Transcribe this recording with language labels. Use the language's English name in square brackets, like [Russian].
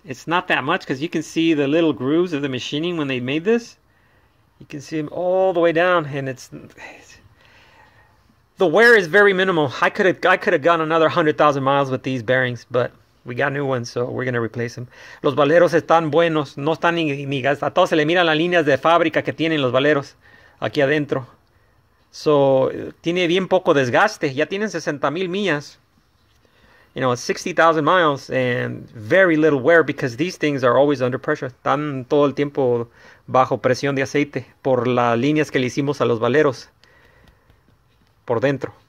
[English] It's not that much because you can see the little grooves of the machining when they made this. You can see them all the way down, and it's the wear is very minimal. I could have gone another 100,000 miles with these bearings, but we got new ones, so we're going to replace them. [Spanish] Los valeros están buenos, no están ni gastados. A todos se le miran las líneas de fábrica que tienen los valeros aquí adentro. So, tiene bien poco desgaste. Ya tienen 60,000 millas. [English] You know, 60,000 miles and very little wear because these things are always under pressure. [Spanish] Están todo el tiempo bajo presión de aceite por las líneas que le hicimos a los valeros por dentro.